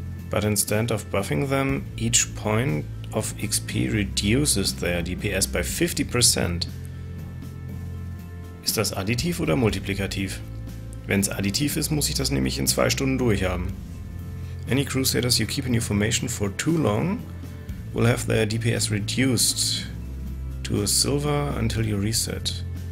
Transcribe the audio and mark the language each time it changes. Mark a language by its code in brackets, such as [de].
[en] But instead of buffing them, each point of XP reduces their DPS by 50%. [de] Ist das additiv oder multiplikativ? Wenn es additiv ist, muss ich das nämlich in 2 Stunden durchhaben. [en] Any Crusaders you keep in your formation for too long will have their DPS reduced to a silver until you reset.